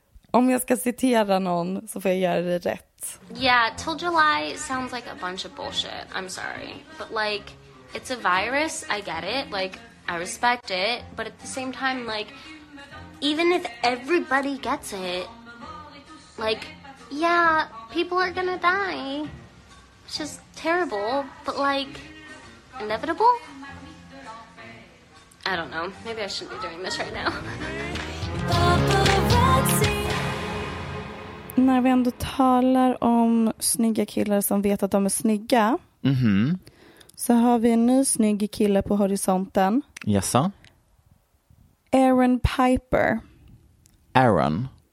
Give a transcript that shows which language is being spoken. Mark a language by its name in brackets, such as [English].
[Swedish] Om jag ska citera någon så får jag göra det rätt. [English] Yeah, till July sounds like a bunch of bullshit. I'm sorry. But like, it's a virus, I get it. Like, I respect it. But at the same time, like, even if everybody gets it, like, yeah, people are gonna die. It's just terrible, but like, inevitable? I don't know. Maybe I shouldn't be doing this right now. [Swedish] När vi ändå talar om snygga killar som vet att de är snygga, mm-hmm, så har vi en ny snygg kille på horisonten. Jasså? Aaron Piper. Aaron?